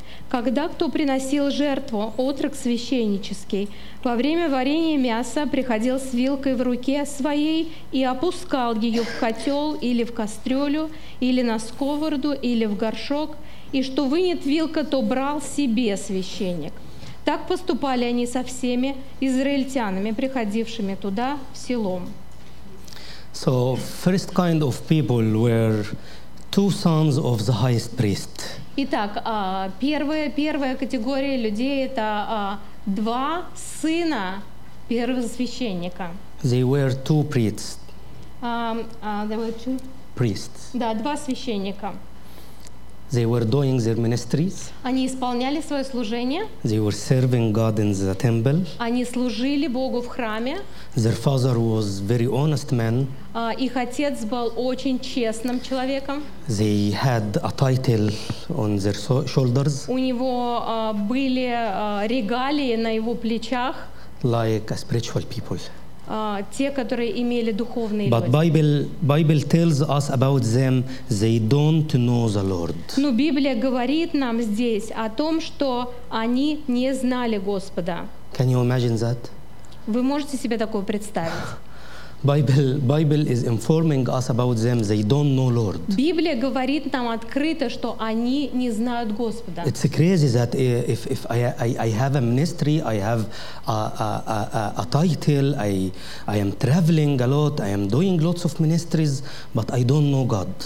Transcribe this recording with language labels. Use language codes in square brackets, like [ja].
[ru] Когда кто приносил жертву, отрок священнический, во время варения мяса приходил с вилкой в руке своей и опускал ее в котел или в кастрюлю, или на сковороду, или в горшок, и что вынет вилка, то брал себе священник. Так поступали они со всеми израильтянами, приходившими туда в село. [en] So, first kind of people were two sons of the highest priest. [ru] Итак, первая категория людей – это два сына первосвященника. [en] They were two priests. There were two? Priests. [ru] Да, два священника. [en] They were doing their ministries. [ru] Они исполняли свое служение. [en] They were serving God in the temple. [ru] Они служили Богу в храме. [en] Their father was very honest man. [ru] Их отец был очень честным человеком. [en] They had a title on their shoulders. [ru] У него были регалии на его плечах. [en] Like a spiritual people. [ru] Те, которые имели духовные [en] But [ru] люди. [en] Bible tells us about them, they don't know the Lord. [ru] Но Библия говорит нам здесь о том, что они не знали Господа. [en] Can you imagine that? [ru] Вы можете себе такое представить? [en] Bible is informing us about them, they don't know Lord. [ru] Библия говорит нам открыто, что они не знают Господа. [en] It's crazy that if I have a ministry, I have a title, I am traveling a lot, I am doing lots of ministries, but I don't know God.